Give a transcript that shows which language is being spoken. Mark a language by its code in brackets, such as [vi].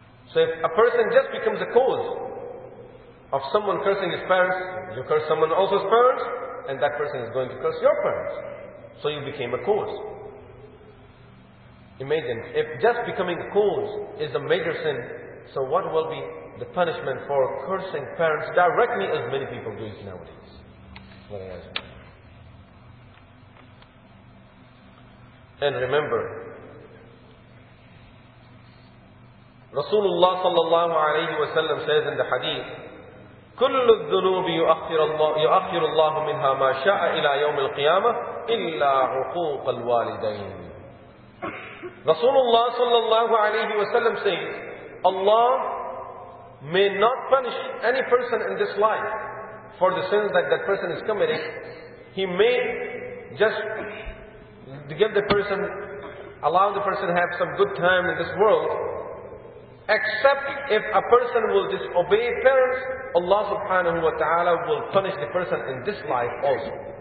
[en] So if a person just becomes a cause of someone cursing his parents, you curse someone else's parents, and that person is going to curse your parents. So you became a cause. Imagine, if just becoming a cause is a major sin, so what will be the punishment for cursing parents directly, as many people do it nowadays? Let me ask you. And remember, Rasulullah sallallahu alayhi wa sallam says in the hadith, [ar] كُلُّ الذُّنُوبِ يُؤَخِّرُ اللَّهُ مِنْهَا مَا شَاءَ إِلَى يَوْمِ الْقِيَامَةِ إِلَّا عُقُوقَ الْوَالِدَيْنِ. [en] Rasulullah sallallahu alayhi wa sallam says, Allah may not punish any person in this life for the sins that that person is committing. He may just give the person, allow the person to have some good time in this world, except if a person will disobey parents, Allah subhanahu wa ta'ala will punish the person in this life also.